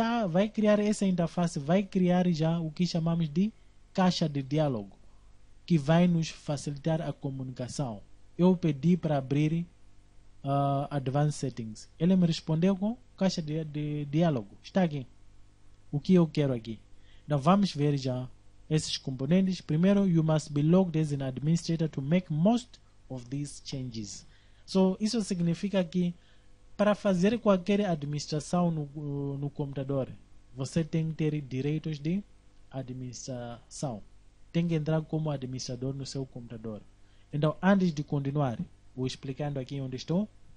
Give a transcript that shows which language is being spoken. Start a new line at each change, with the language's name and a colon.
Portuguese: Vai criar essa interface, vai criar já o que chamamos de caixa de diálogo, que vai nos facilitar a comunicação. Eu pedi para abrir Advanced Settings. Ele me respondeu com caixa de diálogo. Está aqui. O que eu quero aqui? Então vamos ver já esses componentes.
English: Primeiro, you must be logged as an administrator to make most of these changes.
Portuguese: So, isso significa que para fazer qualquer administração no computador, você tem que ter direitos de administração. Tem que entrar como administrador no seu computador. Então, antes de continuar, vou explicando aqui onde estou.